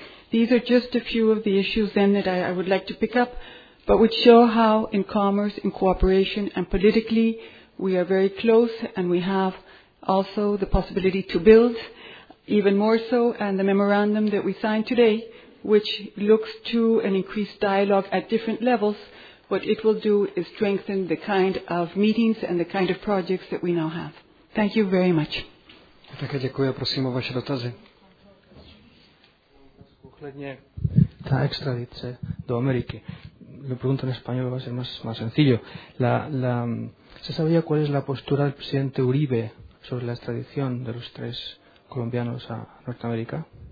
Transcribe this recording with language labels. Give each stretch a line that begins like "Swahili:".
English: These are just a few of the issues then that I would like to pick up, but which show how in commerce, in cooperation, and politically, we are very close, and we have also the possibility to build even more so, and the memorandum that we signed today, which looks to an increased dialogue at different levels, what it will do is strengthen the kind of meetings and the kind of projects that we now have. Thank you very much.
Czech: Také děkuji a prosím o vaše dotazy. Ohledně ta extradice do Ameriky.
Spanish: Lo pregunto en español, va a ser más sencillo. ¿Se sabía cuál es la postura del presidente Uribe sobre la extradición de los tres colombianos a Norteamérica?